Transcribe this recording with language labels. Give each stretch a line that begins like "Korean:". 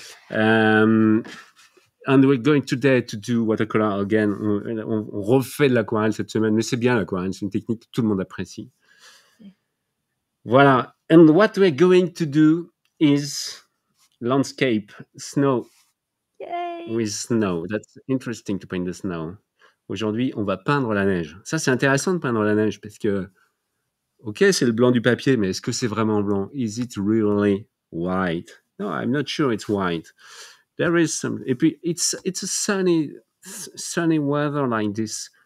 English: And we're going today to do watercolor again.
French: On refait de l'aquarelle cette semaine, mais c'est bien l'aquarelle, c'est une technique que tout le monde apprécie. Voilà.
English: And what we're going to do is landscape snow. Yay. With snow. That's interesting to paint the snow.
French: Aujourd'hui, on va peindre la neige. Ça, c'est intéressant de peindre la neige parce que, ok, c'est le blanc du papier, mais est-ce que c'est vraiment blanc?
English: Is it really white? No, I'm not sure it's white. There is some,
French: et puis
English: it's a sunny weather like this.